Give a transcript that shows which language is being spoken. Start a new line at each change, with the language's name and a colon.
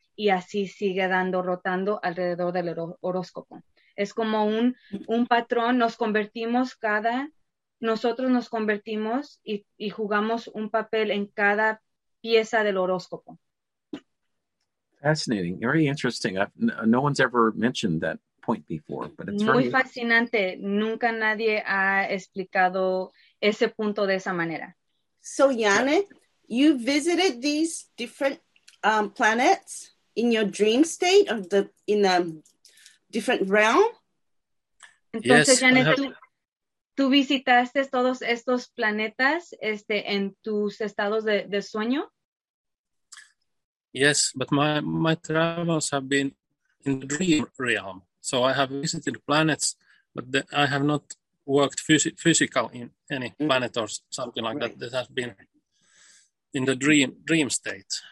Spanish: Y así sigue dando, rotando alrededor del horóscopo. Es como un patrón, nos convertimos cada, nosotros nos convertimos y jugamos un papel en cada pieza del horóscopo.
English: Fascinating, very interesting. No one's ever mentioned that point before, but it's
Spanish: muy
English: very
Spanish: fascinante. Nunca nadie ha explicado ese punto de esa manera.
English: So, Janne, you visited these different planets in your dream state of the in the different realm?
Spanish: Entonces, yes, Janne, tú visitaste todos estos planetas en tus estados de sueño?
English: Yes, but my travels have been in the dream realm. So I have visited planets, but I have not worked physical in any planet or something like right. that. That has been in the dream state.